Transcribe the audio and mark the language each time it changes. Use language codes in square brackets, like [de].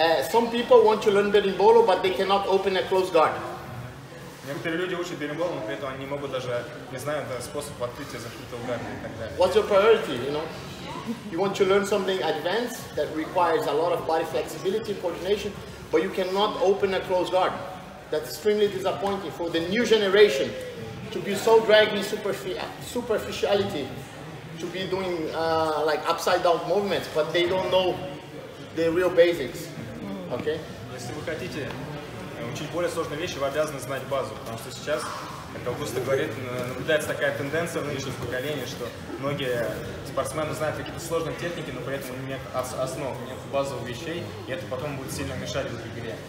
[en] Some people want to learn berimbolo, but they cannot open a closed guard. [ru] Некоторые люди учат берингболу, но при этом они могут даже, не знаю, это способ открытия закрытого гарда и так далее. [en] What's your priority, you know? You want to learn something advanced that requires a lot of body flexibility, coordination, but you cannot open a closed guard. That's extremely disappointing for the new generation to be so dragged in superficiality, to be doing like upside down movements, but they don't know the real basics, okay? [ru] Если вы хотите учить более сложные вещи, вы обязаны знать базу, потому что сейчас, как Августа говорит, наблюдается такая тенденция в нынешнем поколении, что многие спортсмены знают какие-то сложные техники, но при этом у них нет основ, нет базовых вещей, и это потом будет сильно мешать в игре.